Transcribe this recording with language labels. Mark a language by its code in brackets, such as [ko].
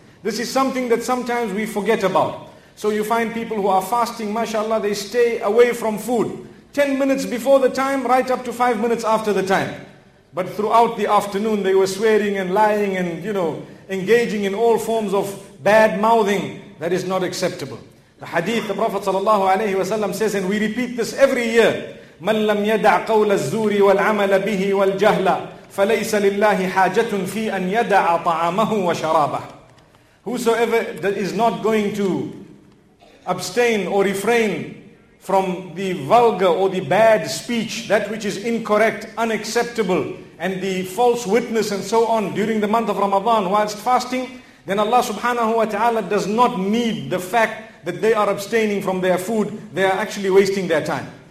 [en] This is something that sometimes we forget about. So you find people who are fasting, mashallah, they stay away from food 10 minutes before the time, right up to 5 minutes after the time. But throughout the afternoon, they were swearing and lying and, you know, engaging in all forms of bad mouthing. That is not acceptable. The hadith, the Prophet sallallahu alayhi wa sallam says, and we repeat this every year, [ar] مَنْ لَمْ يَدَعْ قَوْلَ الزُّورِ وَالْعَمَلَ بِهِ وَالْجَهْلَ فَلَيْسَ لِلَّهِ حَاجَةٌ فِي أَنْ يَدَعَ طَعَامَهُ وَشَرَابَهُ. [en] Whosoever that is not going to abstain or refrain from the vulgar or the bad speech, that which is incorrect, unacceptable, and the false witness and so on during the month of Ramadan whilst fasting, then Allah subhanahu wa ta'ala does not need the fact that they are abstaining from their food, they are actually wasting their time.